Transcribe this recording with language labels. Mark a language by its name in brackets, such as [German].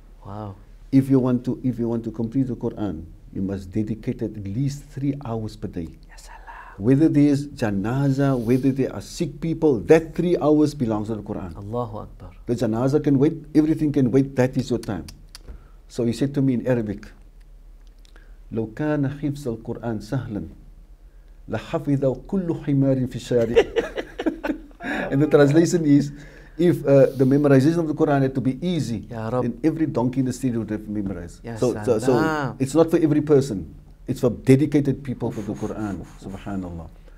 [English] Wow. If you want to complete the Quran, you must dedicate it at least 3 hours per day. MashaAllah. Whether there is janaza, whether there are sick people, that 3 hours belongs to the Quran. Allahu Akbar. The janaza can wait, everything can wait, that is your time. So he said to me in Arabic, [Arabic] لو كان حفظ القرآن سهلا لحفظ كل حمار في الشارع. [English] And the translation is, if the memorization of the Quran had to be easy, then every donkey in the street would have memorized. Yes, so it's not for every person, it's for dedicated people for the Quran, subhanAllah.